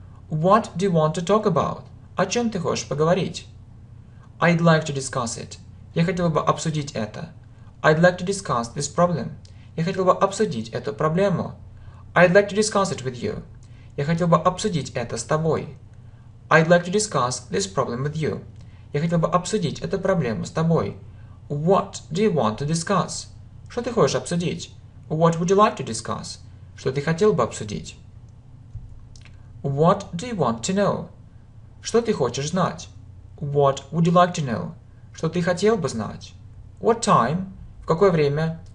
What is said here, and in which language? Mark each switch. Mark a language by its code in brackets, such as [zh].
[en] What do you want to talk about? [ru] О чем ты хочешь поговорить? [en] I'd like to discuss it. [ru] Я хотел бы обсудить это. [en] I'd like to discuss this problem. [ru] Я хотел бы обсудить эту проблему. [en] I'd like to discuss it with you. [ru] Я хотел бы обсудить это с тобой. [en] I'd like to discuss this problem with you. [ru] Я хотел бы обсудить эту проблему с тобой. [en] What do you want to discuss? [ru] Что ты хочешь обсудить? [en] What would you like to discuss? [ru] Что ты хотел бы обсудить? [en] What do you want to know? [ru] Что ты хочешь знать? [en] What would you like to know? [ru] Что ты хотел бы знать? [en] What time? [ru] В какое время?